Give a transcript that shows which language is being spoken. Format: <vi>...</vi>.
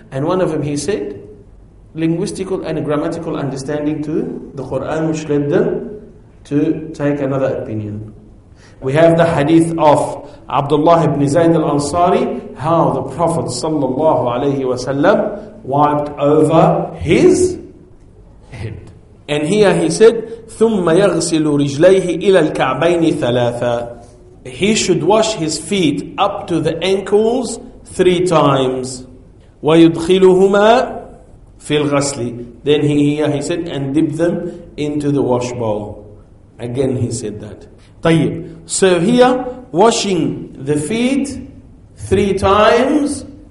<en>And one of them, he said, linguistical and grammatical understanding to the Quran, which led them to take another opinion. We have the hadith of Abdullah ibn Zayd al-Ansari, how the Prophet sallallahu alayhi wa sallam wiped over his head. And here he said,</en> <ar>ثُمَّ يَغْسِلُ رِجْلَيْهِ إِلَى الْكَعْبَيْنِ ثَلَاثًا.</ar> <en>He should wash his feet up to the ankles three times.</en> <ar>وَيُدْخِلُهُمَا فِي الْغَسْلِ.</ar> <en>Then he said, and dip them into the wash bowl. Again he said that. طيب. So here, washing the feet three times</en>